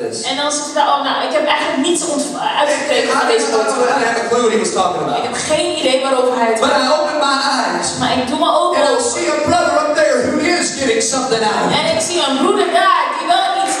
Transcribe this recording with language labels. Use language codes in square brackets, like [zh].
[nl] En dan zegt hij, oh nou, ik heb eigenlijk niets uitgekregen van deze foto. Ik heb geen idee waarover hij het [en] had. But I opened my eyes. [nl] Maar ik doe mijn ogen open. [en] See a brother up there who is getting something out. [nl] En ik zie een broeder daar die wel iets